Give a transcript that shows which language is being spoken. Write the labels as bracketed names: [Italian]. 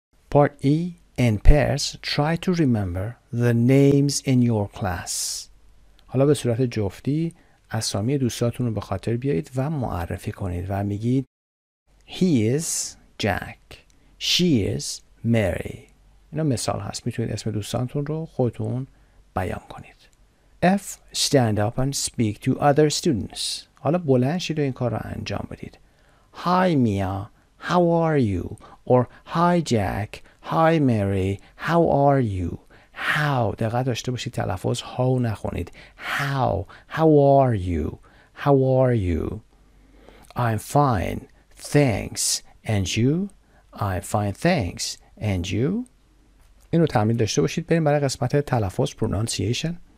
[English] Part E in pairs try to remember the names in your class. [Persian] حالا به صورت جفتی اسامی دوستاتون رو به خاطر بیارید و معرفی کنید و میگید [English] He is Jack. She is Mary. [Persian] اینا مثال هست، میتونید اسم دوستانتون رو خودتون بیان کنید. [English] F. Stand up and speak to other students. [Persian] حالا بلند شید و این کار رو انجام بدید. [English] Hi Mia. how are you? Or hi Jack, hi Mary, how are you? [Persian] How, دقیق داشته باشید تلفظ how نخونید. [English] How are you? How are you? I'm fine, thanks. And you? I'm fine, thanks. And you? [Persian] این رو تمرین داشته باشید. بریم برای قسمت تلفظ pronunciation.